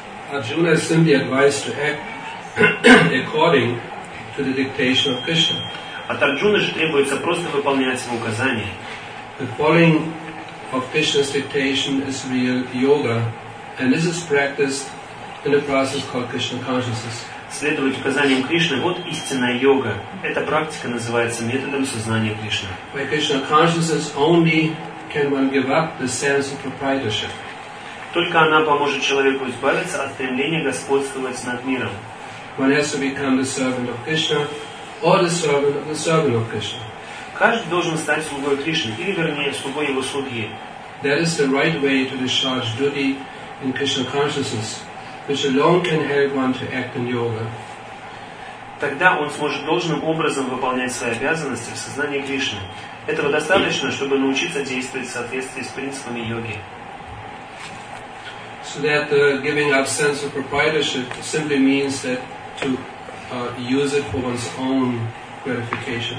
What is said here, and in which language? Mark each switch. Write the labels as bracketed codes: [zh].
[en] Arjuna is simply advised to act according to the dictation of Krishna. [ru] От Арджуны же требуется просто выполнять его указания. [en] The following of Krishna's dictation is real yoga, and this is practiced in a process called Krishna consciousness. [ru] Следовать указаниям Кришны — вот истинная йога. Эта практика называется методом сознания Кришны. [en] By Krishna consciousness only can one give up the sense of proprietorship. [ru] Только она поможет человеку избавиться от стремления господствовать над миром. [en] One has to become the servant of Krishna or the servant of the servant of Krishna. [ru] Каждый должен стать слугой Кришны, или вернее, слугой его слуги. [en] That is the right way to discharge duty in Krishna consciousness, which alone can help one to act in yoga. [ru] Тогда он сможет должным образом выполнять свои обязанности в сознании Кришны. Этого достаточно, чтобы научиться действовать в соответствии с принципами йоги. [en] So that the giving up sense of proprietorship simply means that to use it for one's own gratification.